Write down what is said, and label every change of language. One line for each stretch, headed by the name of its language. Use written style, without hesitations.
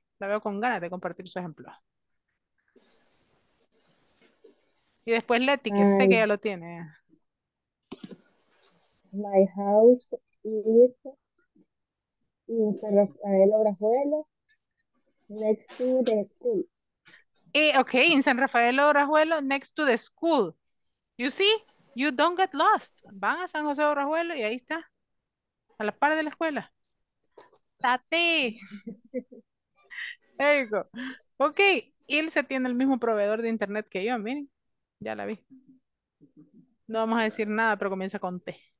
Spanish: La veo con ganas de compartir su ejemplo. Y después Leti, que sé que ya lo tiene.
English: My house is in Rafael Orajuelo, next to the school. Okay, in San Rafael Orajuelo, next to the school. You see, you don't get lost.
Spanish: Van a San José Orajuelo y ahí está, a la par de la escuela. Tate.
English: There you go.
Spanish: Okay, Ilse tiene el mismo proveedor de internet que yo, miren, ya la vi. No vamos a decir nada, pero comienza con T.